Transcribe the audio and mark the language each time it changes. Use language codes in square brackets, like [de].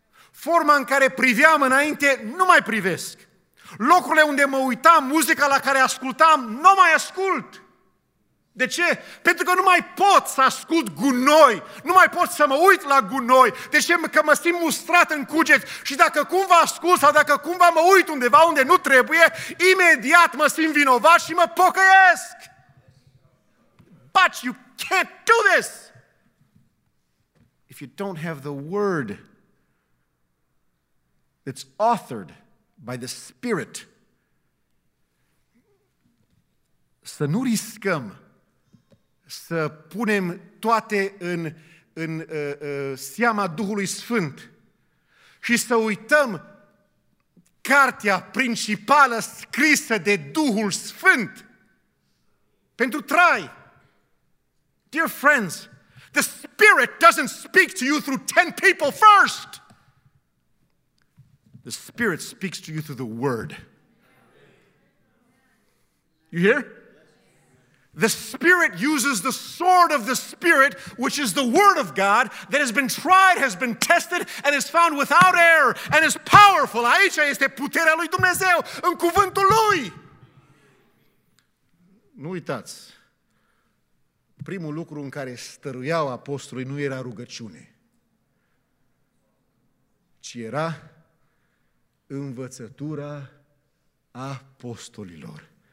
[ro] Forma în care priveam înainte, nu mai privesc. Locurile unde mă uitam, muzica la care ascultam, nu mai ascult. De ce? Pentru că nu mai pot să ascult gunoi, nu mai pot să mă uit la gunoi. De ce? Că mă simt mustrat în cuget și dacă cumva ascult sau dacă cumva mă uit undeva unde nu trebuie, imediat mă simt vinovat și mă pocăiesc. [en] But you can't do this if you don't have the word that's authored by the Spirit. [ro] Să nu riscăm să punem toate în seama Duhului Sfânt și să uităm cartea principală scrisă de Duhul Sfânt pentru trai. [en] Dear friends, the Spirit doesn't speak to you through 10 people first. The Spirit speaks to you through the Word. You hear? The Spirit uses the sword of the Spirit, which is the Word of God, that has been tried, has been tested, and is found without error, and is powerful. [ro] Aici este puterea lui Dumnezeu, în cuvântul lui. Nu uitați, primul lucru în care stăruiau apostolii nu era rugăciune, ci era învățătura apostolilor.